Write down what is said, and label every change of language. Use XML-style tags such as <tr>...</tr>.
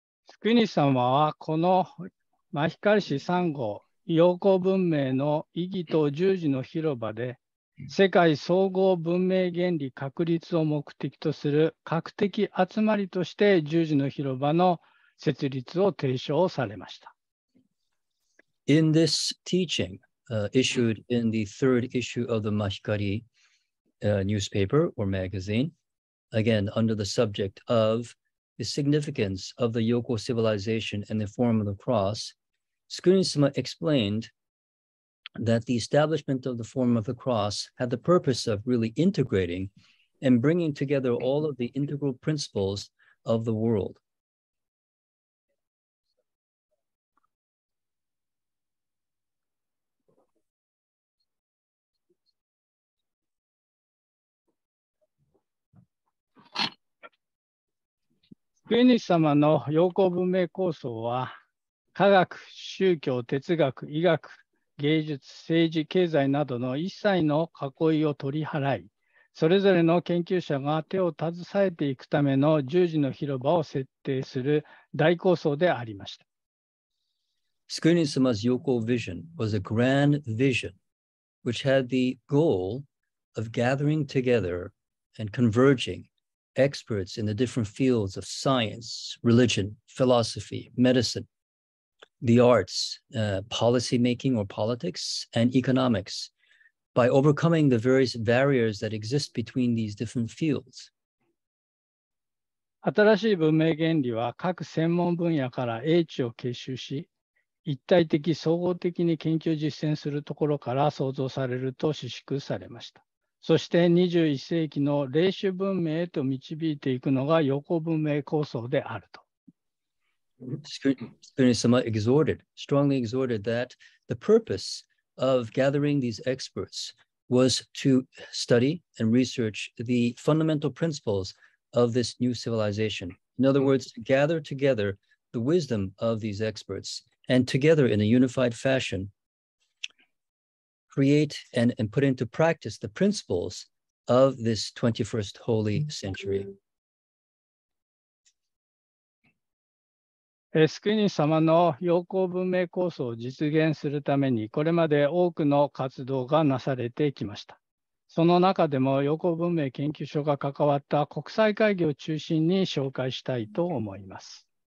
<ja>スクイニー様はこのマヒカリ市3号、ヨコ文明の意義と十字の広場で、世界総合文明原理確立を目的とする核的集まりとして十字の広場の設立を提唱されました。</ja> <en>In this teaching, issued in the third issue of the Mahikari, newspaper or magazine, again under the subject of the significance of the Yoko civilization and the form of the cross, Tsukunisama explained. That the establishment of the form of the cross had the purpose of really integrating and bringing together all of the integral principles of the world.</en> <ja>スクイニス様のヨコ文明構想は科学、宗教、哲学、医学、芸術、政治、経済などの一切の囲いを取り払い、それぞれの研究者が手を携えていくための十字の広場を設定する大構想でありました。</ja> <en>Screening Sama's Yoko vision was a grand vision, which had the goal of gathering together and converging experts in the different fields of science, religion, philosophy, medicine, the arts, policy making or politics, and economics. By overcoming the various barriers that exist between these different fields.</en> <ja>新しい文明原理は各専門分野から英知を結集し、一体的総合的に研究実践するところから創造されると指摘されました。そして21世紀の霊種文明へと導いていくのが横文明構想であると。</ja> <en>Spinisama strongly exhorted that the purpose. Of gathering these experts was to study and research the fundamental principles of this new civilization. In other words, gather together the wisdom of these experts and together in a unified fashion, create and put into practice the principles of this 21st holy century.</en> <ja>スクイニー様の陽光文明構想を実現するためにこれまで多くの活動がなされてきました。その中でも陽光文明研究所が関わった国際会議を中心に紹介したいと思います。</ja>